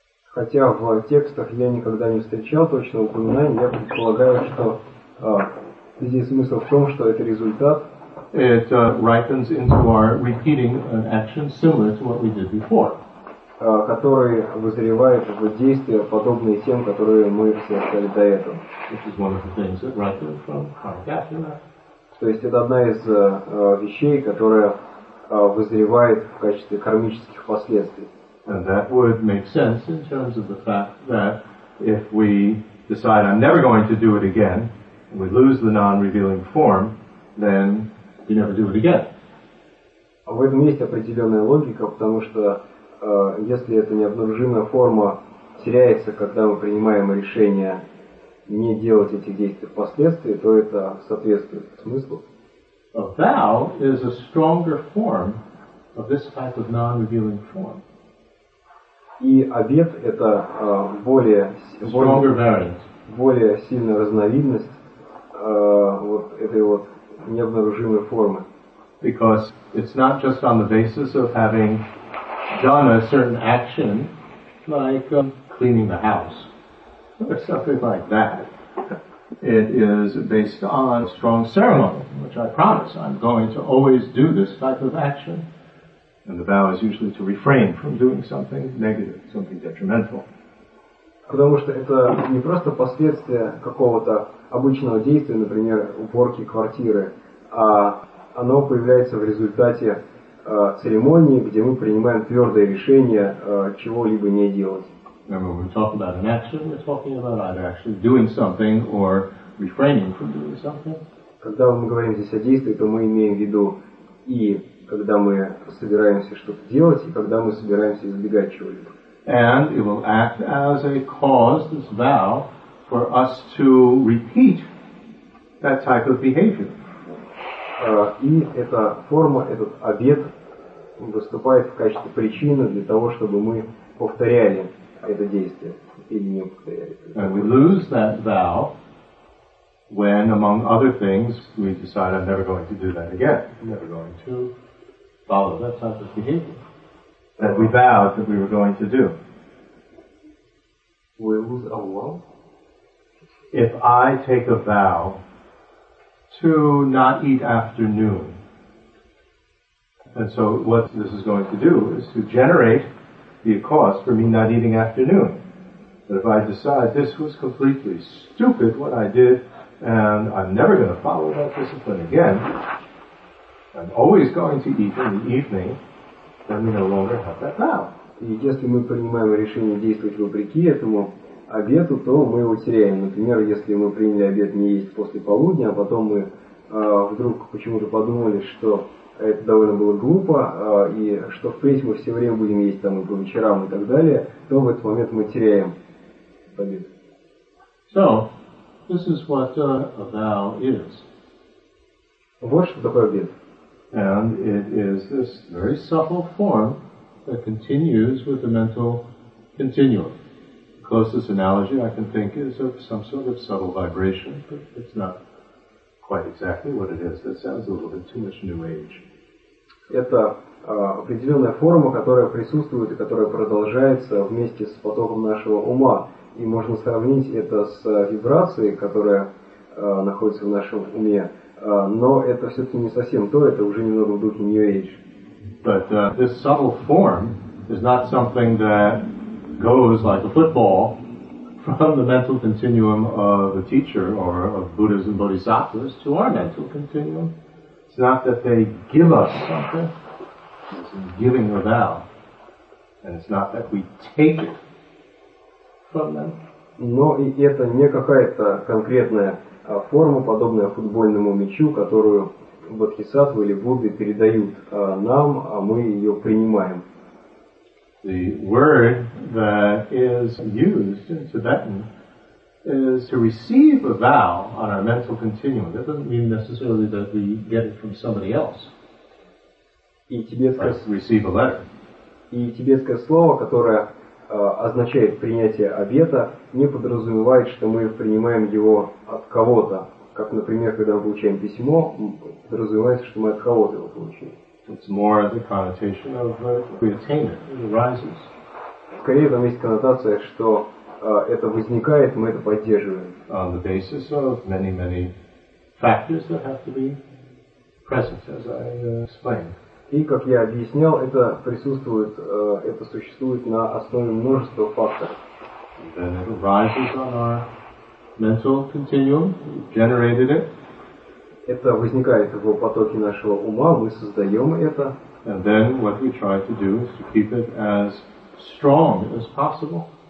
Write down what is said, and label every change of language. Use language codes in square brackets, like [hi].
[ru] Хотя в текстах я никогда не встречал точного упоминания, я предполагаю, что здесь смысл в том, что это результат. [en] It ripens into our repeating an action similar to what we did before. [ru] Который вызревает в действия, подобные тем, которые мы совершали до этого. [en] This is one of the things that ripened from karma. [ru] То есть это одна из вещей, которая вызревает в качестве кармических последствий. [en] And that would make sense in terms of the fact that if we decide I'm never going to do it again, and we lose the non-revealing form, then you never do it again. [ru] В этом есть определенная логика, потому что если эта необнаружимая форма теряется, когда мы принимаем решение не делать эти действия впоследствии, то это соответствует смыслу. [en] A vow is a stronger form of this type of non-revealing form. [ru] И обет – это более сильная разновидность вот этой вот необнаружимой формы. [en] Because it's not just on the basis of having done a certain action, like cleaning the house, or something like that. It is based on a strong ceremony, which I promise I'm going to always do this type of action. And the vow is usually to refrain from doing something negative, something detrimental. [ru] Потому что это не просто последствия какого-то обычного действия, например, уборки квартиры, а оно появляется в результате церемонии, где мы принимаем твердое решение чего-либо не делать. [en] Remember, when we talk about an action, we're talking about either actually doing something or refraining from doing something. [ru] Когда мы говорим здесь о действии, то мы имеем в виду и когда мы собираемся что-то делать и когда мы собираемся избегать чего-либо. [en] And it will act as a cause, this vow, for us to repeat that type of behavior. [ru] И эта форма, этот обет выступает в качестве причины для того, чтобы мы повторяли это действие или не повторяли. [en] And we lose that vow when, among other things, we decide I'm never going to do that again. I'm never going to follow that type of behavior that we vowed that we were going to do. We lose our vow? If I take a vow to not eat after noon, and so what this is going to do is to generate the cause for me not eating after noon. But if I decide this was completely stupid what I did, and I'm never going to follow that discipline again, I'm always going to eat in the evening, then we no longer have that vow. [ru] И если мы принимаем решение действовать вопреки этому обету, то мы его теряем. Например, если мы приняли обет не есть после полудня, а потом мы вдруг почему-то подумали, что это довольно было глупо, и что впредь мы все время будем есть там и по вечерам и так далее, то в этот момент мы теряем обет. [en] So, this is what a vow is. [ru] Вот что такое обет. [en] And it is this very subtle form that continues with the mental continuum. The closest analogy I can think is of some sort of subtle vibration, but it's not quite exactly what it is. That sounds a little bit too much new age. [ru] Это определенная форма, которая присутствует и которая продолжается вместе с потоком нашего ума. И можно сравнить это с вибрацией, которая находится в нашем уме. Но это все-таки не совсем то, это уже немного в духе new age. [en] But this subtle form is not something that goes like a football from the mental continuum of a teacher or of Buddhism, bodhisattvas, to our mental continuum. It's not that they give us something. It's giving a vow. And it's not that we take it from them. [ru] Но и это не какая-то конкретная форма, подобная футбольному мячу, которую бодхисаттвы или Будды передают нам, а мы ее принимаем. [en] The word that is used in Tibetan is to receive a vow on our mental continuum. That doesn't mean necessarily that we get it from somebody else. [ru] И тибетское [en] receive a letter. [ru] И тибетское слово, которое означает принятие обета, не подразумевает, что мы принимаем его от кого-то. Как, например, когда мы получаем письмо, подразумевается, что мы от кого-то его получили. [en] It's more the connotation of we attain it, it arises. [ru] Скорее, там есть коннотация, что это возникает, мы это поддерживаем. [en] On the basis of many, many factors that have to be present, as I explained. [ru] И, как я объяснял, это присутствует, это существует на основе множества факторов. [en] And then it arises on our mental continuum, we've generated it. [ru] Это возникает в потоке нашего ума, мы создаем это. [en] And then what we try to do is to keep it as strong as possible.